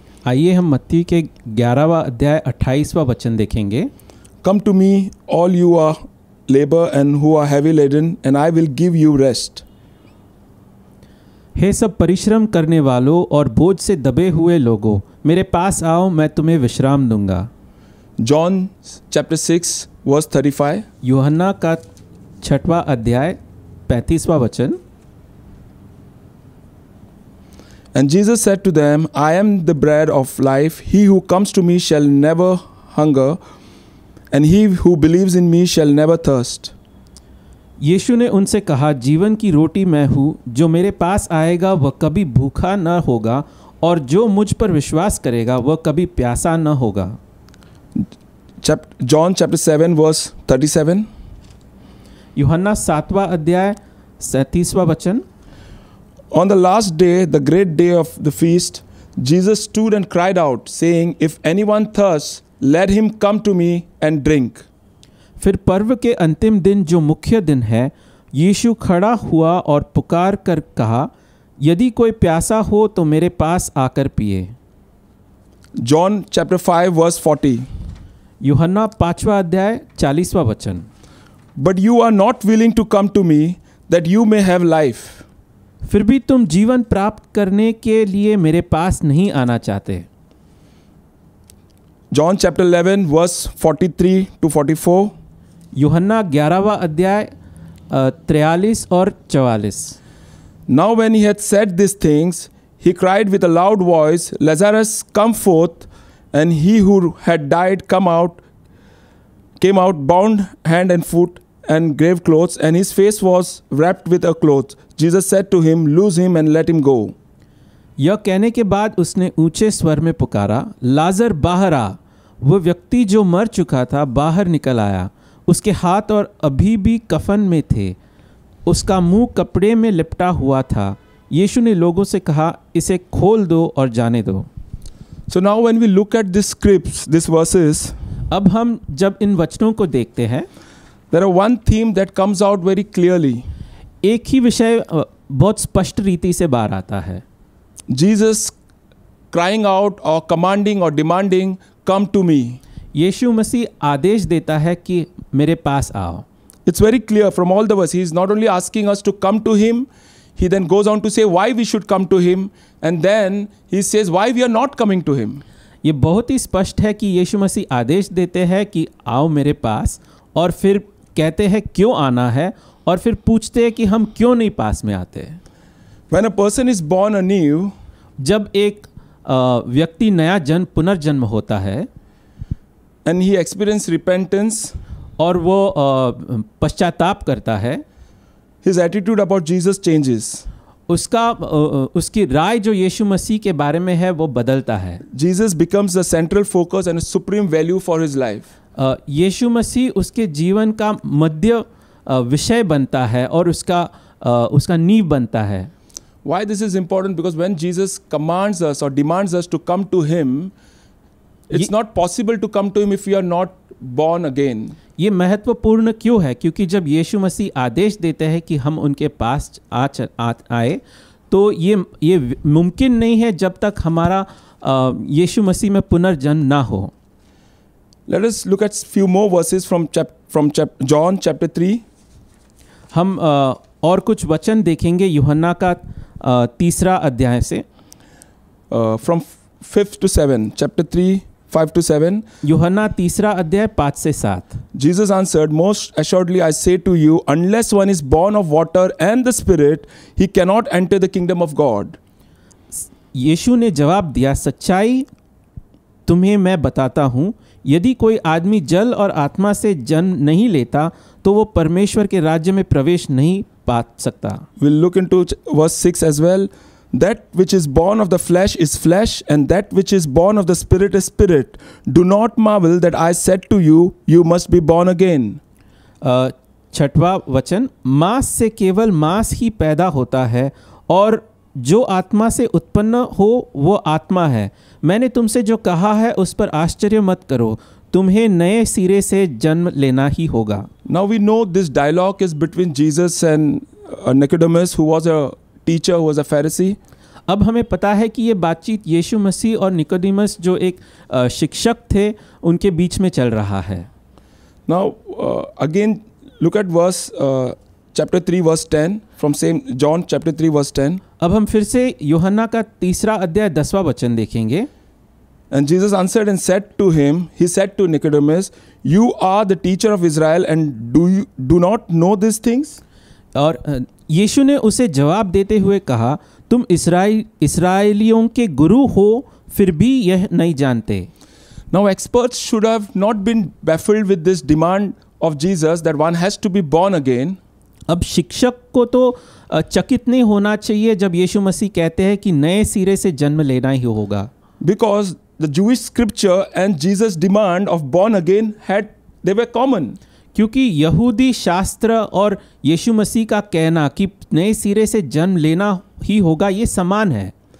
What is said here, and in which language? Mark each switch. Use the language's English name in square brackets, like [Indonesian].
[Hindi] आइए हम मत्ती के 11वां अध्याय 28वां वचन देखेंगे. [English] Come to me, all you are labor and who are heavy laden, and I will give you rest. [Hindi] हे सब परिश्रम करने वालों और बोझ से दबे हुए लोगों, मेरे पास आओ, मैं तुम्हें विश्राम दूंगा. [English] John chapter 6 verse 35. [Hindi] योहन्ना का 6वां अध्याय 35वां वचन. [English] And Jesus said to them, I am the bread of life. He who comes to me shall never hunger, and he who believes in me shall never thirst. [Hindi] यीशु ने उनसे कहा, जीवन की रोटी मैं हूँ, जो मेरे पास आएगा वह कभी भूखा न होगा, और जो मुझ पर विश्वास करेगा वह कभी प्यासा न होगा. [English] John chapter 7 verse 37. [Hindi] यूहन्ना 7वां अध्याय 37वां वचन. [English] On the last day, the great day of the feast, Jesus stood and cried out, saying, If anyone thirsts, let him come to me and drink. [Hindi] फिर पर्व के अंतिम दिन जो मुख्य दिन है, यीशु खड़ा हुआ और पुकार कर कहा, यदि कोई प्यासा हो तो मेरे पास आकर पिए. [English] John chapter 5 verse 40. [Hindi] यूहन्ना 5वां अध्याय 40वां वचन. [English] But you are not willing to come to me that you may have life. [Hindi] फिर भी तुम जीवन प्राप्त करने के लिए मेरे पास नहीं आना चाहते. [English] John chapter 11 verse 43 to 44. [Hindi] यूहन्ना 11वां अध्याय 43 और 44. [English] Now when he had said these things, he cried with a loud voice, Lazarus, come forth, and he who had died came out bound hand and foot and grave clothes, and his face was wrapped with a cloth. Jesus said to him, loose him and let him go. [Hindi] यह कहने के बाद उसने ऊंचे स्वर में पुकारा, लाजर बाहर आ. वह व्यक्ति जो मर चुका था बाहर निकल आया. उसके हाथ और अभी भी कफन में थे, उसका मुंह कपड़े में लिपटा हुआ था. यीशु ने लोगों से कहा, इसे खोल दो और जाने दो. [English] So now when we look at this scripts, these verses, [Hindi] अब हम जब इन वचनों को देखते हैं, [English] there are one theme that comes out very clearly. [Hindi] एक ही विषय बहुत स्पष्ट रीति से बाहर आता है. [English] Jesus crying out or commanding or demanding, come to me. [Hindi] यीशु मसीह आदेश देता है कि मेरे पास आओ. [English] It's very clear from all the verses. He is not only asking us to come to him. He then goes on to say why we should come to him, and then he says why we are not coming to him. [Hindi] ये बहुत ही स्पष्ट है कि यीशु मसीह आदेश देते हैं कि आओ मेरे पास, और फिर कहते हैं क्यों आना है, और फिर पूछते हैं कि हम क्यों नहीं पास में आते. [English] When a person is born anew, [Hindi] जब एक व्यक्ति नया जन्म पुनर्जन्म होता है, [English] and he experiences repentance, [Hindi] और वो पश्चाताप करता है, [English] his attitude about Jesus changes. [Hindi] उसका उसकी राय जो यीशु मसीह के बारे में है वो बदलता है. [English] Jesus becomes the central focus and a supreme value for his life. [Hindi] यीशु मसीह उसके जीवन का मध्य विषय बनता है और उसका उसका नींव बनता है. [English] Why this is important? Because when Jesus commands us or demands us to come to him, it's not possible to come to him if we are not born again. [Hindi] ये महत्वपूर्ण क्यों है? क्योंकि जब यीशु मसीह आदेश देते हैं कि हम उनके पास आए, तो ये मुमकिन नहीं है जब तक हमारा यीशु मसीह में पुनर्जन्म ना हो. [English] Let us look at few more verses from John chapter 3. [Hindi] हम और कुछ वचन देखेंगे यूहन्ना का तीसरा अध्याय से. [English] From 5 to 7, chapter 3. 5 to 7. [Hindi] यूहन्ना तीसरा अध्याय 5 से 7. [English] Jesus answered, "Most assuredly I say to you, unless one is born of water and the Spirit, he cannot enter the kingdom of God." [Hindi] यीशु ने जवाब दिया, सच्चाई तुम्हें मैं बताता हूँ, यदि कोई आदमी जल और आत्मा से जन्म नहीं लेता, तो वो परमेश्वर के राज्य में प्रवेश नहीं पा सकता. [English] We'll look into verse 6 as well. That which is born of the flesh is flesh, and that which is born of the spirit is spirit. Do not marvel that I said to you, you must be born again. [Hindi] छठवां वचन, मांस से केवल मांस ही पैदा होता है, और जो आत्मा से उत्पन्न हो वो आत्मा है. मैंने तुमसे जो कहा है उस पर आश्चर्य मत करो, तुम्हें नए सिरे से जन्म लेना ही होगा. [English] Now we know this dialogue is between Jesus and Nicodemus, who was a teacher, who was a Pharisee. [Hindi] अब हमें पता है कि ये बातचीत यीशु मसीह और निकोदिमस जो एक शिक्षक थे उनके बीच में चल रहा है. [English] Now again look at verse chapter 3 verse 10 from same John chapter 3 verse 10. [Hindi] अब हम फिर से यूहन्ना का तीसरा अध्याय 10वां वचन देखेंगे. [English] And Jesus answered and said to him, he said to Nicodemus, you are the teacher of Israel and do not know these things? [Hindi] और यीशु ने उसे जवाब देते हुए कहा, तुम इसराइलियों के गुरु हो फिर भी यह नहीं जानते. [English] Now experts should have not been baffled with this demand of Jesus that one has to be born again. [Hindi] अब शिक्षक को तो चकित नहीं होना चाहिए जब यीशु मसीह कहते हैं कि नए सिरे से जन्म लेना ही होगा. [English] Because the Jewish scripture and Jesus' demand of born again had they were common. [Hindi] क्योंकि यहूदी शास्त्र और यीशु मसीह का कहना कि नए सिरे से जन्म लेना ही होगा ये समान है.